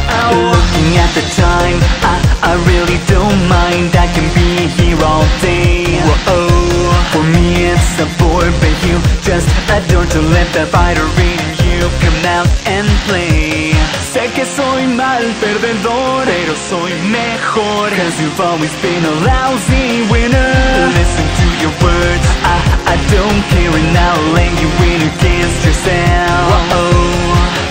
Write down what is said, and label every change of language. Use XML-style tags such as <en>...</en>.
<en>Looking at the time, I really don't mind. I can be here all day. Whoa-oh. For me it's a bore, but you just adore to let the fighter in you come out and play.</en> <es>Sé que soy mal perdedor, pero soy mejor.</es> <en>Cause you've always been a lousy winner. Listen to your words, I don't care, and I'll let you win against yourself.</en>